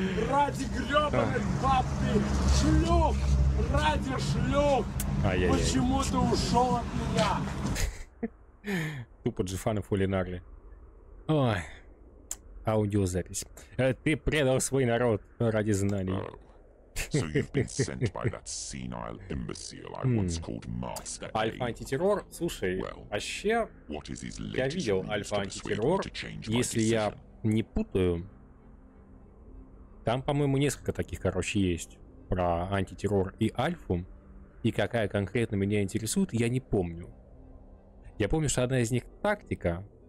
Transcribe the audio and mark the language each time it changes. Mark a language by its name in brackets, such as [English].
[Russian] Ради гребаных баб ты! Шлюх! Ради шлюх! Ай-яй-яй. Почему ты ушел от меня? Тупо Джифана фулинарли. Ой. Аудиозапись. Ты предал свой народ ради знаний. [English] So you've been sent by that senile imbecile I once called Master A. [Russian] Альфа-антитеррор, слушай, вообще, я видел Альфа-антитеррор, если я не путаю, там, по-моему, несколько таких, короче, есть про антитеррор и Альфу. И какая конкретно меня интересует, я не помню. Я помню, что одна из них тактика.